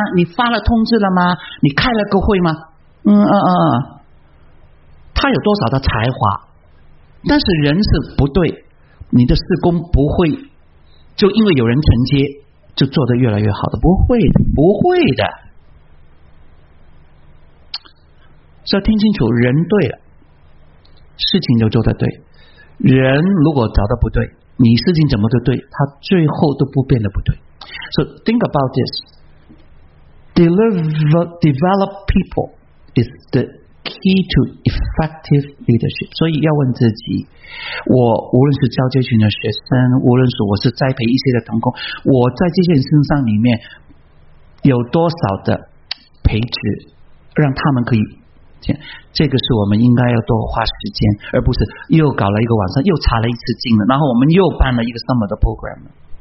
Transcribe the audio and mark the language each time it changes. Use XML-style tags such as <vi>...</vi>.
<zh>你发了通知了吗？你开了个会吗？嗯啊啊，他有多少的才华，但是人是不对，你的事工不会就因为有人承接就做得越来越好的，不会的，不会的。所以听清楚，人对了事情就做得对，人如果找得不对，你事情怎么都对，他最后都不变得不对。</zh> <en>So think about this. Develop people is the key to effective leadership.</en> <zh>所以要问自己，我无论是教接群的学生，无论是我是栽培一些的同工，我在这些人身上里面有多少的培植，让他们可以，这个是我们应该要多花时间，而不是又搞了一个晚上，又查了一次经了，然后我们又办了一个 summer 的 program。</zh>